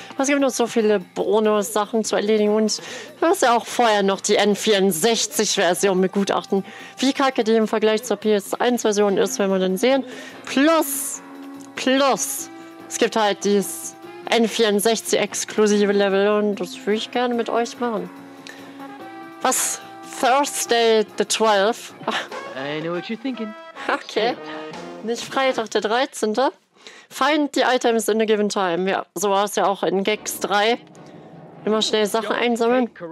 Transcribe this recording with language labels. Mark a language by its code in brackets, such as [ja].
[de] Es gibt noch so viele Bonus-Sachen zu erledigen und du hast ja auch vorher noch die N64-Version begutachten, wie kacke die im Vergleich zur PS1-Version ist, wenn wir dann sehen. Plus... Es gibt halt dieses N64-exklusive Level und das würde ich gerne mit euch machen. [en] Was? Thursday the 12th? I know what you're thinking. [de] Okay. Nicht Freitag der 13. [en] Find the items in a given time. [de] Ja, so war es ja auch in Gex 3. Immer schnell Sachen einsammeln.